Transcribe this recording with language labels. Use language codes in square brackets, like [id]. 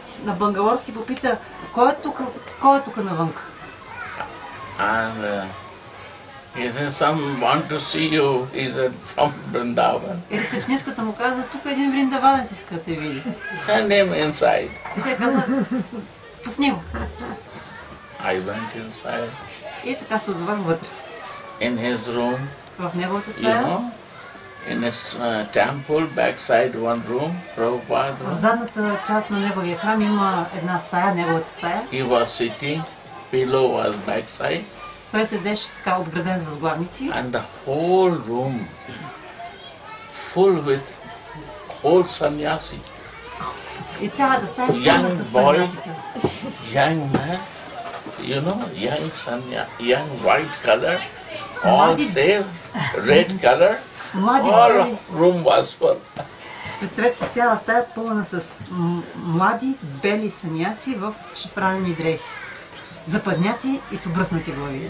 [bg] На бангалорски попита, кой е тук, кой е тук навън? [en] And he said, some want to see you, he said, from Vrindavan. [bg] И рецепционистката му каза, тук един вриндаванец иска да те види. [en] Send him inside. [bg] И тя каза, пусни го. [en] I went inside. [bg] И така се отвън вътре. [en] In his room. [bg] В неговата стая. [en] You know, in his temple, backside one room, Prabhupada. [bg] В задната част на неговия храм има една стая, неговата стая. [en] He was sitting, pillow was backside. [bg] Той седеше така обграден с възглавници. [en] And the whole room full with whole sannyasi. [bg] И цялата стая пълна с сан'ясите. [en] Young man. You know, young sanya, young white color, all same, red color, all room was full. [bg] Представете си цяла стая пълна с млади, бели саньяси в шафранени дрехи. Западняци и с обръснати глави.